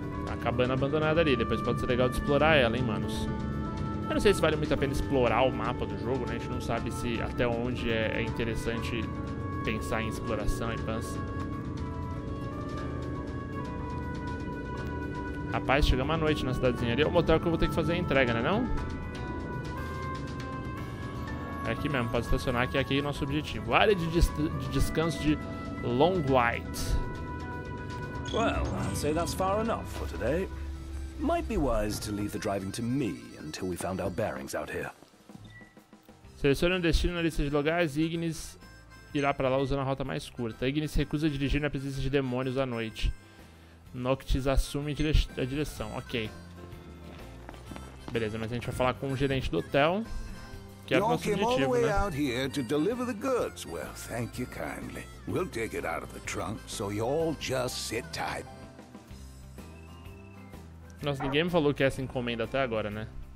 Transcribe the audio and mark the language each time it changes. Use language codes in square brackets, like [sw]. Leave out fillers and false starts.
[pt] A cabana abandonada ali, depois pode ser legal de explorar ela, hein, manos. Eu não sei se vale muito a pena explorar o mapa do jogo, né? A gente não sabe se até onde é interessante pensar em exploração e pans. Rapaz, chegamos à noite na cidadezinha ali. É o motel que eu vou ter que fazer a entrega, né não? É aqui mesmo, pode estacionar, que é aqui o nosso objetivo. Área de descanso de Long White. [en] Well, I'd say that's far enough for today. Might be wise to leave the driving to me until we found our bearings out here. [pt] Selecione um destino na lista de lugares e Ignis irá para lá usando a rota mais curta. Ignis recusa dirigir na presença de demônios à noite. Noctis assume a direção. Ok. Beleza, mas a gente vai falar com o gerente do hotel. Que é o nosso objetivo, né? [en] All the way out here to deliver the goods. Well, thank you kindly. We'll take it out of the trunk, so you all just sit tight. [pt] Nossa, ninguém me falou que essa encomenda até agora, né?